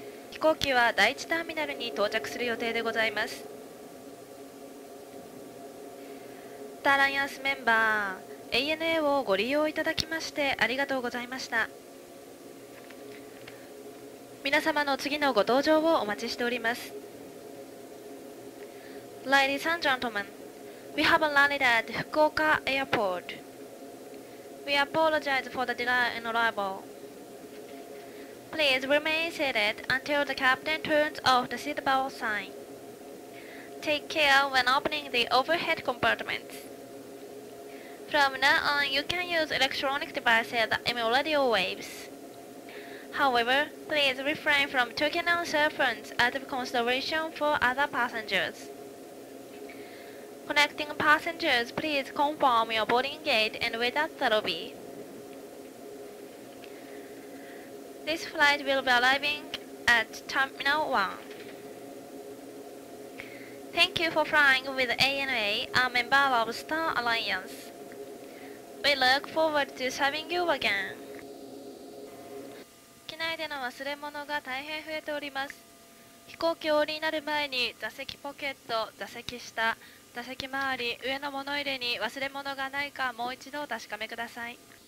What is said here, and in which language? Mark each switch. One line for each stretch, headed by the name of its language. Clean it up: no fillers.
Japanese: 飛行機は第一ターミナルに到着する予定でございます。ターライアンスメンバー ANA をご利用いただきましてありがとうございました。皆様の次のご搭乗をお待ちしております。
English: Ladies and gentlemen, we have landed at Fukuoka Airport. We apologize for the delay in arrival. Please remain seated until the captain turns off the seatbelt sign. Take care when opening the overhead compartments. From now on, you can use electronic devices that emit radio waves. However, please refrain from talking on cell phones out of consideration for other passengers. Connecting passengers, please confirm your boarding gate and wait at the lobby. This flight will be arriving at Terminal 1. Thank you for flying with ANA, a member of Star Alliance. We look forward to serving you again.
Japanese: 機内での忘れ物が大変増えております。飛行機を降りになる前に座席ポケット、座席下、座席周り、上の物入れに忘れ物がないかもう一度お確かめください。